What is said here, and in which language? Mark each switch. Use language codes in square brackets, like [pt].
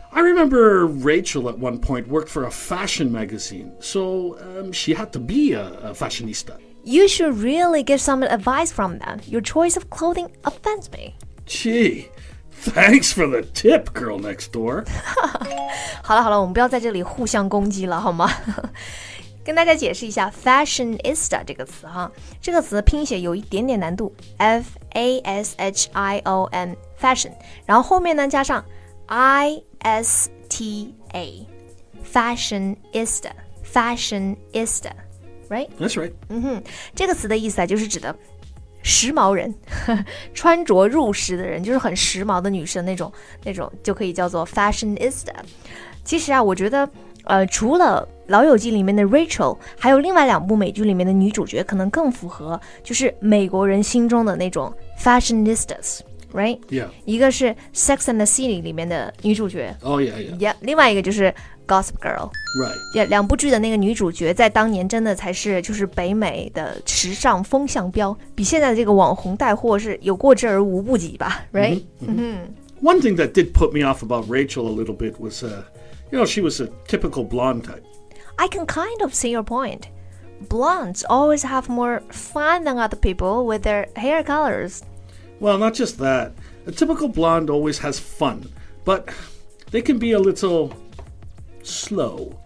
[en] I remember Rachel at one point worked for a fashion magazine, so she had to be a fashionista. You should really get some advice from them. Your choice of clothing offends me. Gee, thanks for the tip, girl next door. [zh] 好了好了，我们不要在这里互相攻击了，好吗？跟大家解释一下 fashionista 这个词哈，这个词拼写有一点点难度 F-A-S-H-I-O-N fashion 然后后面呢加上 I-S-T-A fashionista fashionista right? [en] That's right、 [zh] mm-hmm. 这个词的意思、啊、就是指的时髦人穿着入时的人就是很时髦的女生那种就可以叫做 fashionista 其实啊我觉得除了老友记里面的 Rachel 还有另外两部美剧里面的女主角可能更符合就是美国人心中的那种 fashionistas right? [en] Yeah. [zh] 一个是 Sex and the City 里面的女主角 [en] Oh yeah yeah. [zh] yeah 另外一个就是 Gossip Girl [en] Right. [zh] Yeah, 两部剧的那个女主角在当年真的才是就是北美的时尚风向标比现在的这个网红带货是有过之而无不及吧 right? Mm-hmm. Mm-hmm. [en] One thing that did put me off about Rachel a little bit was You know, she was a typical blonde type. I can kind of see your point. Blondes always have more fun than other people with their hair colors. Well, not just that. A typical blonde always has fun, but they can be a little slow.